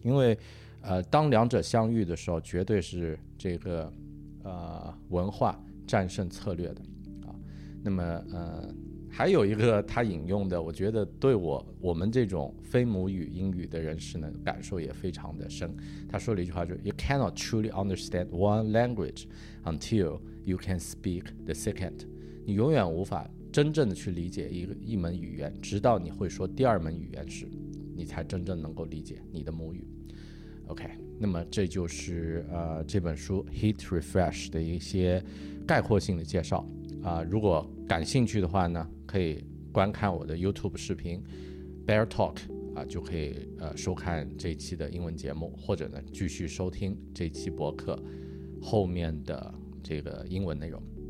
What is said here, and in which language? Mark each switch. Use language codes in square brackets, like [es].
[zh] 因为当两者相遇的时候，绝对是这个文化战胜策略的啊。那么还有一个他引用的，我觉得对我们这种非母语英语的人士呢感受也非常的深。他说了一句话，就是 [en] You cannot truly understand one language until you can speak the second。 [zh] 你永远无法真正的去理解一门语言，直到你会说第二门语言时，你才真正能够理解你的母语。 OK， 那么这就是这本书 Hit Refresh 的一些概括性的介绍啊。如果感兴趣的话呢，可以观看我的 YouTube 视频 Bear Talk 就可以收看这一期的英文节目，或者呢继续收听这期博客后面的这个英文内容。